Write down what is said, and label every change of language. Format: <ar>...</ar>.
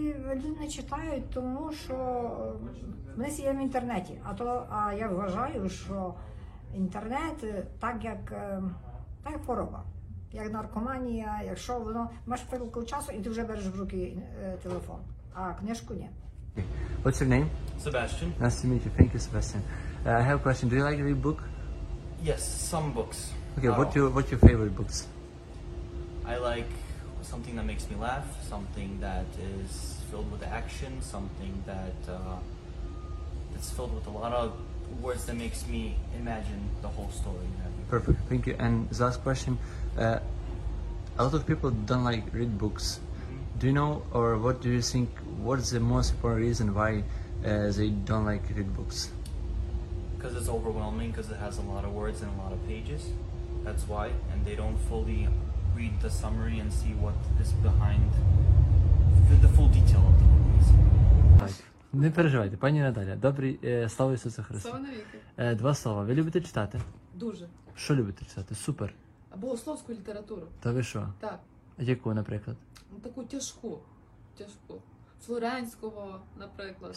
<uk>А люди не читають, тому що ми сидимо в інтернеті, а я вважаю, що інтернет так як хвороба, як наркоманія, якщо воно, маєш хвилинку часу і ти вже береш в руки телефон, а книжку – ні.</uk> <en>What's your name? Sebastian. Nice to meet you. Thank you, Sebastian. I have a question. Do you like to read book? Yes, some books. Okay, what's your favorite books? I like something that makes me laugh, something that is filled with action, something that that's filled with a lot of words that makes me imagine the whole story. Perfect. Thank you. And the last question. A lot of people don't like read books. Do you know, or what do you think, what's the most important reason why they don't like read books? Because it's overwhelming, because it has a lot of words and a lot of pages. That's why. And they don't fully read the summary and see what is behind the full detail of the movies.</en> <uk>Не переживайте, пані Наталя, добрий, слава Ісусу Христу. Слава навіки. Два слова. Ви любите читати? Дуже. Що любите читати? Супер. Богословську літературу. Та ви що? Так. Яку, наприклад? Ну, таку тяжку. Флоренського, наприклад.</uk>